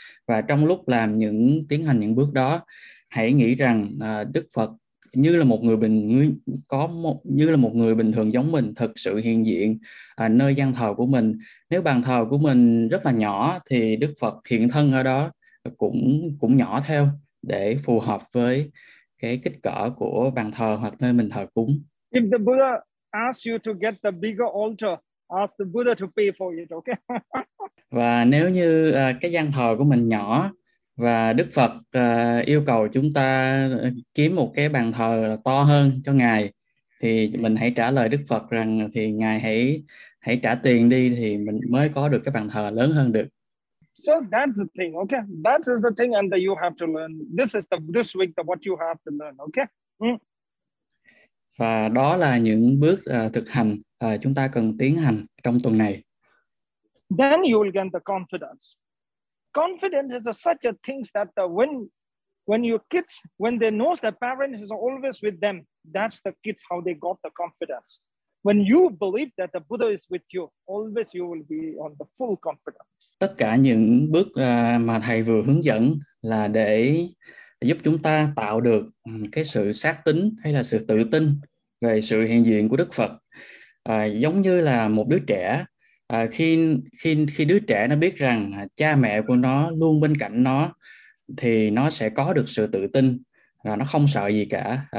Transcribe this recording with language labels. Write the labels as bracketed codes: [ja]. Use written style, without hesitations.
[vi] Và trong lúc làm những tiến hành những bước đó, hãy nghĩ rằng Đức Phật như là một người bình có một như là một người bình thường giống mình, thực sự hiện diện nơi gian thờ của mình. Nếu bàn thờ của mình rất là nhỏ thì Đức Phật hiện thân ở đó cũng nhỏ theo, để phù hợp với cái kích cỡ của bàn thờ hoặc nơi mình thờ cúng. [en] If the Buddha asks you to get the bigger altar, ask the Buddha to pay for it, okay? [vi] Và nếu như cái gian thờ của mình nhỏ và Đức Phật yêu cầu chúng ta kiếm một cái bàn thờ to hơn cho Ngài, thì mình hãy trả lời Đức Phật rằng thì Ngài hãy trả tiền đi thì mình mới có được cái bàn thờ lớn hơn được. [en] So that's the thing, okay? That is the thing and you have to learn. This is this week the what you have to learn, okay? [vi] Và đó là những bước thực hành chúng ta cần tiến hành trong tuần này. [en] Then you will get the confidence. Confidence is such a thing that when your kids, when they know that parents is always with them, that's the kids how they got the confidence. When you believe that the Buddha is with you, always you will be on the full confidence. [vi] Tất cả những bước mà thầy vừa hướng dẫn là để giúp chúng ta tạo được cái sự xác tín hay là sự tự tin về sự hiện diện của Đức Phật. Giống như là một đứa trẻ, khi đứa trẻ nó biết rằng cha mẹ của nó luôn bên cạnh nó, thì nó sẽ có được sự tự tin và nó không sợ gì cả.